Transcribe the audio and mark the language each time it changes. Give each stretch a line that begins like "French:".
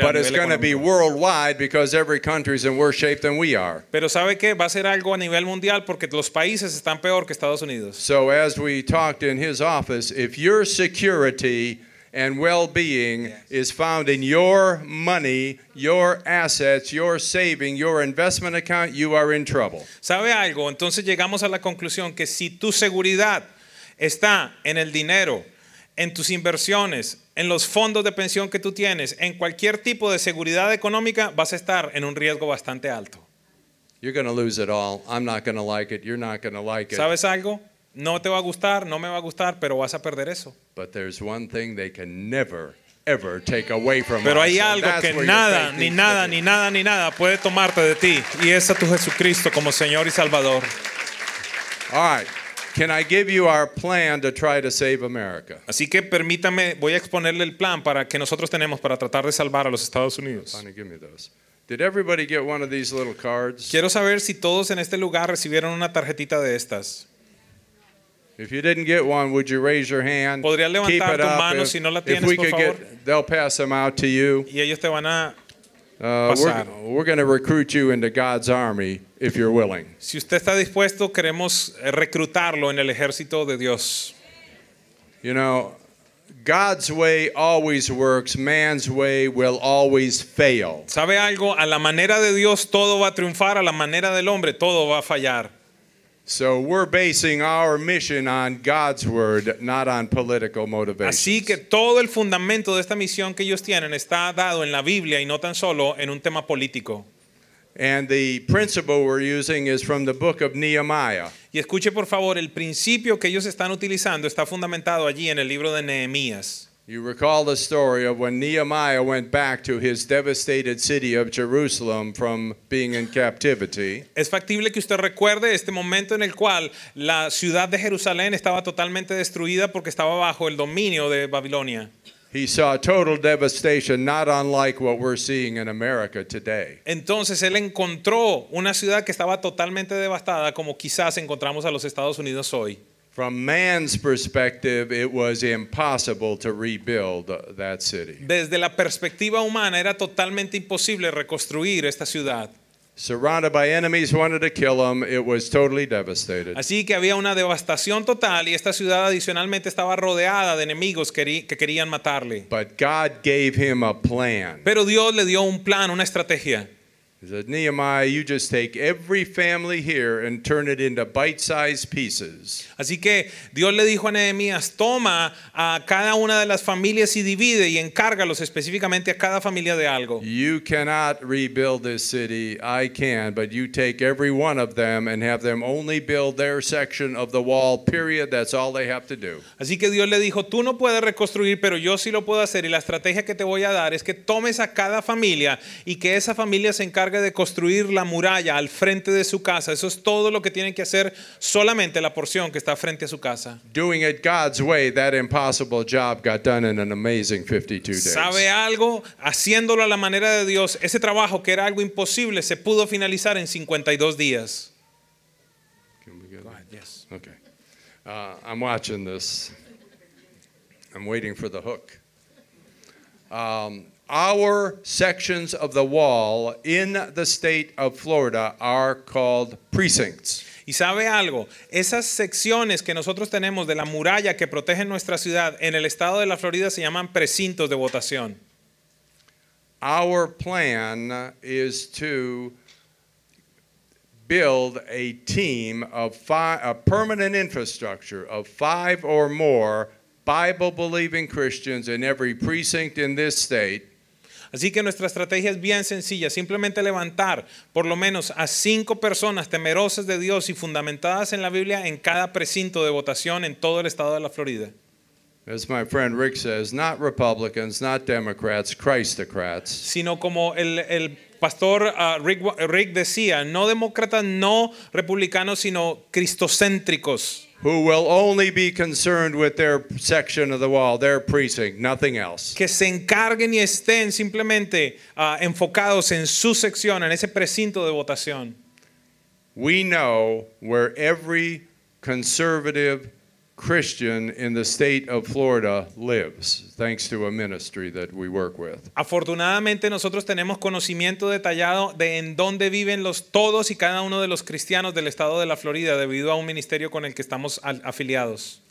English: But it's going to be worldwide because every country is in worse shape than we are.
Spanish: Pero sabe qué, va a ser algo a nivel mundial porque los países están peor que Estados Unidos.
English: So as we talked in his office, if your security and well-being is found in your money, your assets, your saving, your investment account, you are in trouble.
Spanish: ¿Sabe algo? Entonces llegamos a la conclusión que si tu seguridad está en el dinero, en tus inversiones, en los fondos de pensión que tú tienes, en cualquier tipo de seguridad económica, vas a estar en un riesgo bastante alto.
English: You're going to lose it all. I'm not going to like it. You're not going to like it.
Spanish: ¿Sabes algo? No te va a gustar, no me va a gustar, pero vas a perder eso.
English: But there's one thing they can never, ever take away from us.
Spanish: Pero hay algo que nada, ni nada, ni nada, ni nada puede tomarte de ti, y es a tu Jesucristo como Señor y Salvador.
English: All right. Can I give you our plan to try to save America?
Spanish: Así que permítame, voy a exponerle el plan para que nosotros tenemos para tratar de salvar a los Estados Unidos.
English: Give me those. Did everybody get one of these little cards?
Spanish: Quiero saber si todos en este lugar recibieron una tarjetita de estas.
English: If you didn't get one, would you raise your hand?
Spanish: ¿Podría levantar
English: keep it
Spanish: tu
English: up.
Spanish: Mano
English: if,
Spanish: si no la tienes,
English: if we
Spanish: por
English: could
Spanish: favor.
English: Get, they'll pass them out to you.
Spanish: Y ellos te van a
English: we're going to recruit you into God's army if you're willing.
Spanish: Si usted está dispuesto, queremos reclutarlo en el ejército de Dios.
English: You know, God's way always works. Man's way will always fail.
Spanish: ¿Sabe algo? A la manera de Dios todo va a triunfar. A la manera del hombre todo va a fallar.
English: So we're basing our mission on God's word, not on political motivations.
Spanish: Así que todo el fundamento de esta misión que ellos tienen está dado en la Biblia y no tan solo en un tema político.
English: And the principle we're using is from the book of Nehemiah.
Spanish: Y escuche por favor, el principio que ellos están utilizando está fundamentado allí en el libro de Nehemías.
English: You recall the story of when Nehemiah went back to his devastated city of Jerusalem from being in captivity.
Spanish: Es factible que usted recuerde este momento en el cual la ciudad de Jerusalén estaba totalmente destruida porque estaba bajo el dominio de Babilonia.
English: He saw total devastation, not unlike what we're seeing in America today.
Spanish: Entonces él encontró una ciudad que estaba totalmente devastada como quizás encontramos a los Estados Unidos hoy.
English: From man's perspective, it was impossible to rebuild that city.
Spanish: Desde la perspectiva humana, era totalmente imposible reconstruir esta ciudad.
English: Surrounded by enemies who wanted to kill him, it was totally devastated.
Spanish: Así que había una devastación total y esta ciudad adicionalmente estaba rodeada de enemigos que querían matarle.
English: But God gave him a plan.
Spanish: Pero Dios le dio un plan, una estrategia.
English: He said, Nehemiah, you just take every family here and turn it into bite-sized pieces.
Spanish: Así que Dios le dijo a Nehemías, toma a cada una de las familias y divide y encárgalos específicamente a cada familia de algo.
English: You cannot rebuild this city. I can, but you take every one of them and have them only build their section of the wall, period. That's all they have to do.
Spanish: Así que Dios le dijo, tú no puedes reconstruir, pero yo sí lo puedo hacer. Y la estrategia que te voy a dar es que tomes a cada familia y que esa familia se encargue de construir la muralla al frente de su casa. Eso es todo lo que tienen que hacer, solamente la porción que está frente a su casa.
English: Doing it God's way, that impossible job got done in an amazing 52 days.
Spanish: ¿Sabe algo? Haciéndolo a la manera de Dios, ese trabajo que era algo imposible se pudo finalizar en 52 días.
English: Can we go ahead? Yes. Okay. I'm watching this. I'm waiting for the hook. Our sections of the wall in the state of Florida are called precincts.
Spanish: ¿Y sabe algo? Esas secciones que nosotros tenemos de la muralla que protegen nuestra ciudad en el estado de la Florida se llaman precintos de votación.
English: Our plan is to build a team of a permanent infrastructure of five or more Bible-believing Christians in every precinct in this state.
Spanish: Así que nuestra estrategia es bien sencilla, simplemente levantar por lo menos a 5 personas temerosas de Dios y fundamentadas en la Biblia en cada precinto de votación en todo el estado de la Florida.
English: As my friend Rick says, not Republicans, not Democrats, Christocrats.
Spanish: Sino como el pastor Rick decía, no demócratas, no republicanos, sino cristocéntricos.
English: Who will only be concerned with their section of the wall, their precinct, nothing else.
Spanish: Que se encarguen y estén simplemente enfocados en su sección, en ese precinto de votación.
English: We know where every conservative Christian in the state of Florida lives, thanks to a ministry that we work with.
Spanish: Afortunadamente, nosotros tenemos conocimiento detallado de en dónde viven los todos y cada uno de los cristianos del estado de la Florida debido a un ministerio con el que estamos afiliados.